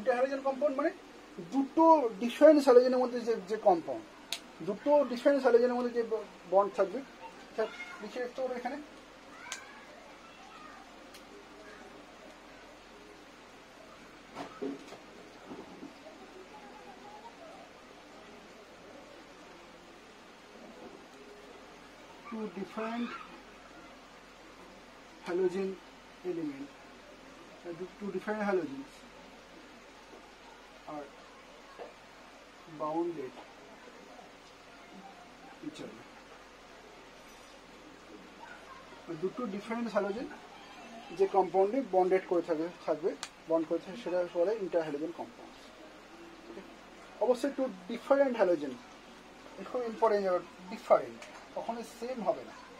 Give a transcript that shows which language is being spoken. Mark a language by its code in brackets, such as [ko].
[bn] ইন্টারহ্যালোজেন compound মানে দুটো different হ্যালোজেনের মধ্যে যে যে কম্পাউন্ড, দুটো ডিফারেন্ট হ্যালোজেনের মধ্যে যে বন্ড থাকবে লিখে রাখতে হবে এখানে, [en] two different halogen element two different halogens are bounded to each other. [bn] দু টু ডিফারেন্ট হ্যালোজেন যে কম্পাউন্ডে বন্ডেড করে থাকে থাকবে বন্ড করে থাকে সেটা বলে ইন্টার হ্যালোজেন কম্পাউন্ড। অবশ্যই টু ডিফারেন্ট হ্যালোজেন খুব ইম্পর্টেন্ট, ডিফারেন্ট কখনো সেম হবে না।